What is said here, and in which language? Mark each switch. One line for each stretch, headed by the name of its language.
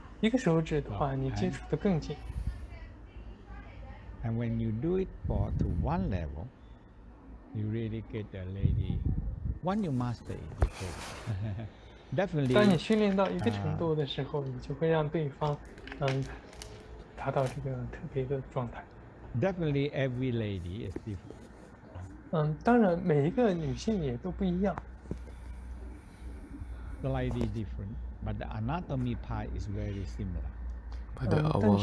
Chinese: 开始的时候你用两个手指，后面你可以用一个手指的话，你接触的更紧。
English: And when you do it for to one level, you really get the lady. Once you master it, you get it. Definitely,
Chinese: 当你训练到一个程度的时候，你就会让对方，达到这个特别的状态。
English: Definitely every lady is different.
Chinese: 当然每一个女性也都不一样。
English: Slightly different, but the anatomy part is very similar.